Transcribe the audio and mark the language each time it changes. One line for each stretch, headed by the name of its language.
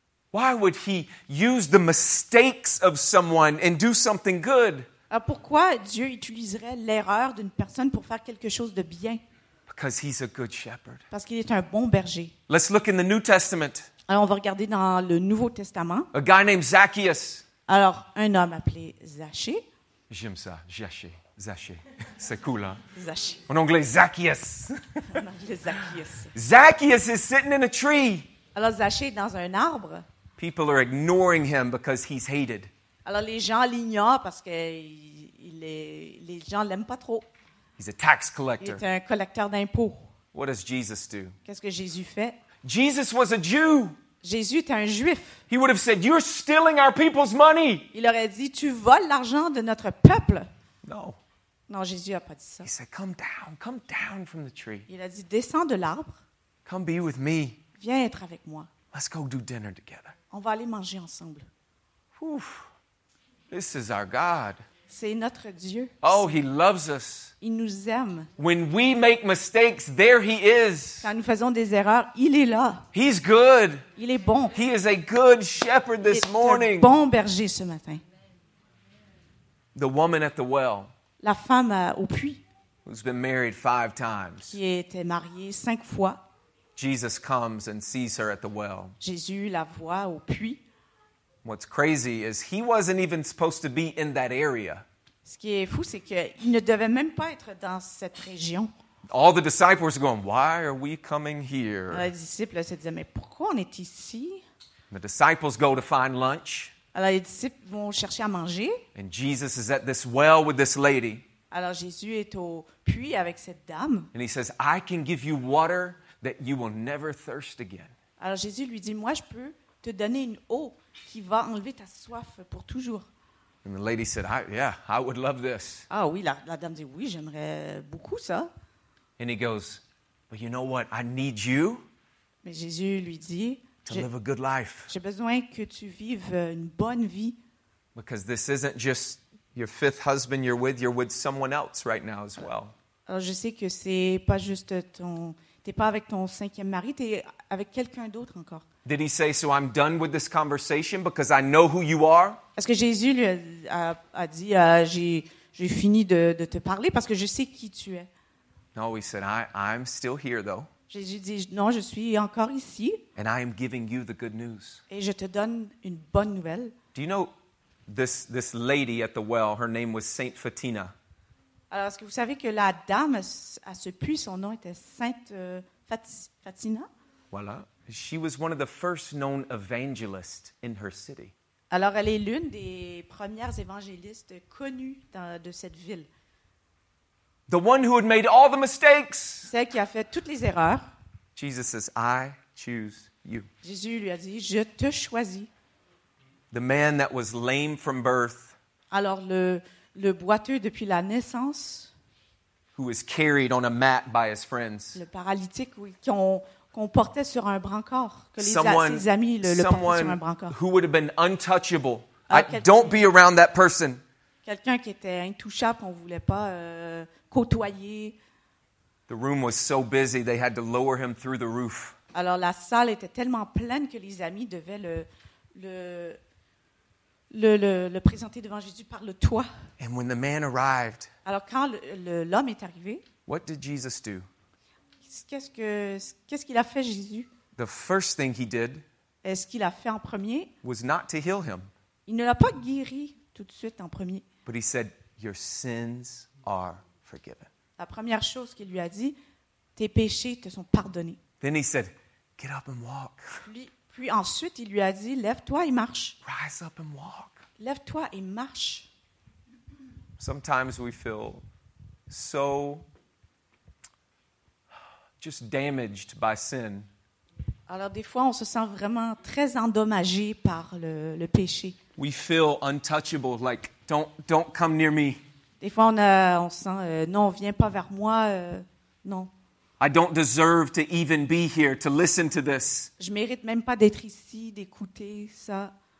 English: Why would he use the mistakes of someone and do something good?
French: Pourquoi Dieu utiliserait l'erreur d'une personne pour faire quelque chose de bien?
English: Because he's a good shepherd.
French: Parce qu'il est un bon berger.
English: Let's look in the New Testament.
French: Alors on va regarder dans le Nouveau Testament.
English: A guy named Zacchaeus.
French: Alors un homme appelé Zachée. J'aime ça, Zachée. Zachée. C'est cool, hein? Zachée. En anglais, Zacchaeus. En anglais, Zacchaeus.
English: Zacchaeus is sitting in a tree.
French: Alors Zachée est dans un arbre.
English: People are ignoring him because he's hated.
French: Alors les gens l'ignorent parce que les gens l'aiment pas trop.
English: He's a tax collector.
French: Il est un collecteur d'impôts.
English: What does Jesus do?
French: Qu'est-ce que Jésus fait?
English: Jesus was a Jew.
French: Jésus était un juif.
English: He would have said, "You're stealing our people's money."
French: Il aurait dit, tu voles l'argent de notre peuple. Non, Jésus n'a pas dit ça.
English: He said, come down from the tree.
French: Il a dit, descends de l'arbre.
English: Come be with me.
French: Viens être avec moi.
English: Let's go do dinner together.
French: On va aller manger ensemble.
English: Ouf. This is our God.
French: C'est notre Dieu.
English: Oh, he loves us.
French: Il nous aime.
English: When we make mistakes, there he is.
French: Quand nous faisons des erreurs, il est là.
English: He's good.
French: Il est bon.
English: He is a good shepherd this morning.
French: Il est un bon berger ce matin.
English: The woman at the well.
French: La femme au puits.
English: Who's been married 5 times.
French: Qui était mariée 5 fois.
English: Jesus comes and sees her at the well.
French: Jésus la voit au puits.
English: What's crazy is he wasn't even supposed to be in that area.
French: Ce qui est fou, c'est qu'il ne devait même pas être dans cette région.
English: All the disciples are going, why are we coming here?
French: Les disciples se disaient, mais pourquoi on est ici?
English: The disciples go to find lunch.
French: Alors les disciples vont chercher à manger.
English: And Jesus is at this well with this lady.
French: Alors Jésus est au puits avec cette dame.
English: And he says, I can give you water that you will never thirst again.
French: Alors Jésus lui dit, moi je peux te donner une eau qui va enlever ta soif pour toujours.
English: And the lady said, I would love this.
French: Ah oui, la dame dit, oui, j'aimerais beaucoup ça.
English: And he goes, but you know what, I need you.
French: Mais Jésus lui dit,
English: live a good life.
French: J'ai besoin que tu vives une bonne vie.
English: Because this isn't just your fifth husband you're with someone else right now as well.
French: Alors je sais que c'est pas juste t'es pas avec ton cinquième mari, t'es avec quelqu'un d'autre encore.
English: Did he say, so I'm done with this conversation because I know who you are?
French: Est-ce que Jésus lui a dit, j'ai fini de te parler parce que je sais qui tu es?
English: No, he said, I'm still here though.
French: Jésus dit, non, je suis encore ici.
English: And I am giving you the good news.
French: Et je te donne une bonne nouvelle.
English: Do you know this lady at the well, her name was Saint Fatina.
French: Alors, est-ce que vous savez que la dame à ce puits, son nom était Sainte Fatina?
English: Voilà. She was one of the first known evangelists in her city.
French: Alors, elle est l'une des premières évangélistes connues de cette ville.
English: The one who had made all the mistakes.
French: Celle qui a fait toutes les erreurs.
English: Jesus says, I choose you.
French: Jésus lui a dit, je te choisis.
English: The man that was lame from birth.
French: Alors, le boiteux depuis la naissance.
English: Who was carried on a mat by his friends.
French: Le paralytique qu'on portait sur un brancard, ses amis le portaient sur un brancard.
English: Who would have been untouchable. Don't be around that person.
French: Quelqu'un qui était intouchable, on ne voulait pas côtoyer.
English: The room was so busy, they had to lower him through the roof.
French: Alors la salle était tellement pleine que les amis devaient le présenter devant Jésus par le toit.
English: And when the man arrived,
French: alors quand l'homme est arrivé,
English: what did Jesus do?
French: Qu'est-ce qu'il a fait, Jésus?
English: The first thing he did,
French: est-ce qu'il a fait en premier,
English: was not to heal him.
French: Il ne l'a pas guéri tout de suite en premier.
English: But he said, your sins are forgiven.
French: La première chose qu'il lui a dit, tes péchés te sont pardonnés.
English: Then he said, get up and walk.
French: Puis ensuite, il lui a dit, lève-toi et marche.
English: Rise up and walk.
French: Lève-toi et marche.
English: Sometimes we feel so just damaged by sin.
French: Alors des fois, on se sent vraiment très endommagé par le péché.
English: We feel untouchable, like don't come near me.
French: Des fois, on se sent non, viens pas vers moi, non.
English: I don't deserve to even be here to listen to this.
French: Je mérite même pas d'être ici, d'écouter ça.